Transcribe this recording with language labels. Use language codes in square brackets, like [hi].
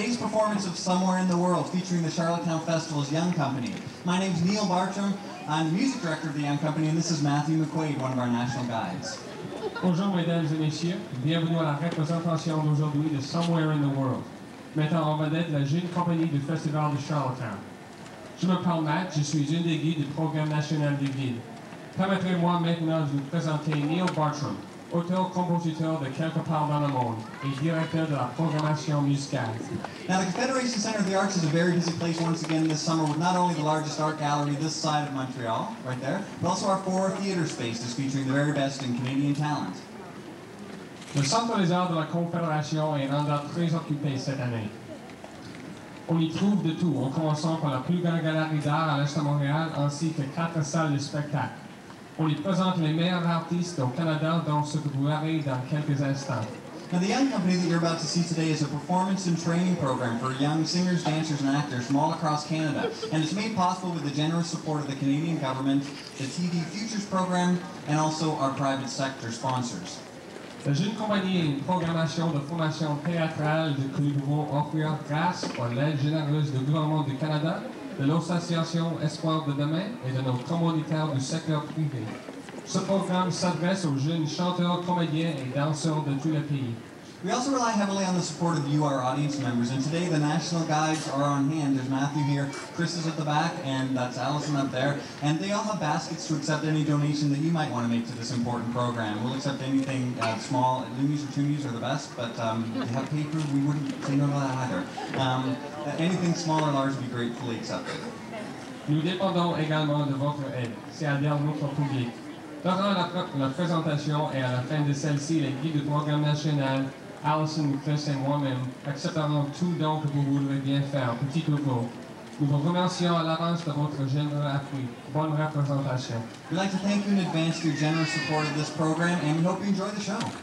[en] performance of Somewhere in the World featuring the Charlottetown Festival's Young Company. My name's Neil Bartram. I'm the music director of the Young Company, and this is Matthew McQuaid, one of our national guides. [fr] Bonjour, mesdames et messieurs. Bienvenue à la représentation d'aujourd'hui de Somewhere in the World, mettant en vedette la jeune compagnie du Festival de Charlottetown. Je m'appelle Matt, je suis une des guides du Programme National du Guide. Permettez-moi maintenant de vous présenter Neil Bartram, auteur-compositeur de quelques parts dans le monde et directeur de la programmation musicale. [en] Now, the Confederation Center of the Arts is a very busy place once again this summer with not only the largest art gallery this side of Montreal, right there, but also our four theater spaces featuring the very best in Canadian talent. [fr] Le Centre des Arts de la Confédération est rendu très occupé cette année. On y trouve de tout, en commençant par la plus grande galerie d'art à l'Est de Montréal, ainsi que quatre salles de spectacle. On y présente les meilleurs artistes au Canada dans ce que vous verrez dans quelques instants. [en] Now, the Young Company that you're about to see today is a performance and training program for young singers, dancers, and actors from all across Canada. And it's made possible with the generous support of the Canadian government, the TV Futures program, and also our private sector sponsors. [fr] La jeune compagnie est une programmation de formation théâtrale que nous pouvons offrir grâce à l'aide généreuse du gouvernement du Canada, de l'Association Espoir de demain et de nos commanditaires du secteur privé. Ce programme s'adresse aux jeunes chanteurs, comédiens et danseurs de tout le pays. [en] We also rely heavily on the support of you, our audience members, and today the national guides are on hand. There's Matthew here, Chris is at the back, and that's Allison up there, and they all have baskets to accept any donation that you might want to make to this important program. We'll accept anything small, loonies or toonies are the best, but if you have paper, we wouldn't say no to that either. Anything small or large would be gratefully accepted. [fr] Nous dépendons également de votre aide, c'est-à-dire notre public. Durant la présentation et à la fin de celle-ci, les guides du programme national, Allison, Chris et moi-même, accepterons tout don que vous voudrez bien faire, petit ou gros. Nous vous remercions à l'avance de votre généreux appui. Bonne représentation. [en] We'd like to thank you in advance for your generous support of this program, and we hope you enjoy the show.